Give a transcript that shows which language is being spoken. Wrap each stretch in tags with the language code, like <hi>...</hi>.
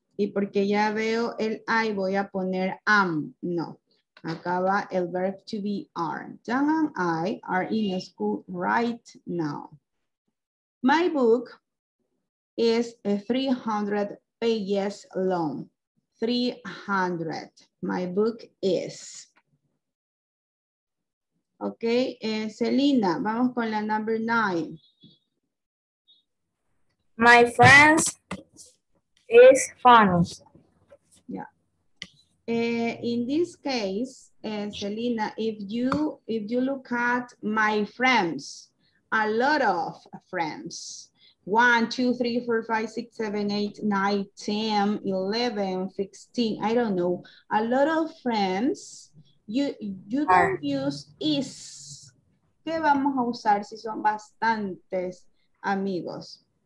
<es>Y porque ya veo el I, voy a poner am. No. Acá va el verb to be are.</es> <en>Dan and I are in school right now. My book is 300 pages long. 300. My book is.</en> <es>Ok. Selena, vamos con la</es> <en>number nine. My friends... is funny. Yeah. In this case, Selena, if you look at my friends, a lot of friends, 1, 2, 3, 4, 5, 6, 7, 8, 9, 10, 11, 16, I don't know, a lot of friends, you don't use is.</en> <es>¿Qué vamos a usar si son bastantes amigos?</es>